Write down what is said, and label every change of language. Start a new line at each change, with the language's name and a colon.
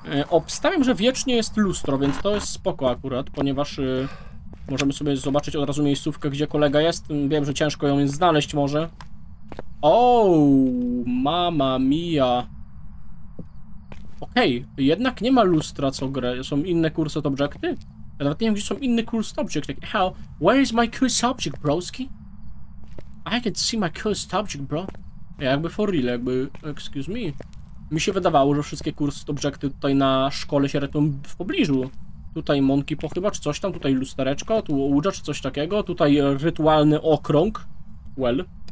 Polish: Obstawiam, że wiecznie jest lustro, więc to jest spoko akurat, ponieważ możemy sobie zobaczyć od razu miejscówkę, gdzie kolega jest. Wiem, że ciężko ją jest znaleźć może. O, mama mia. Okej, jednak nie ma lustra co grę, są inne cursed objecty. Ja nawet nie wiem, gdzie są inne cursed objecty.
English: How? Where is my cursed object, broski? I can see my cursed object, bro.
Polish: Jakby
English: for real,
Polish: jakby...
English: Excuse me.
Polish: Mi się wydawało, że wszystkie cursed objecty tutaj na szkole się retną w pobliżu. Tutaj monkey pochyba, czy coś tam. Tutaj lustereczko, tu łódź, czy coś takiego. Tutaj rytualny okrąg.
English: Well.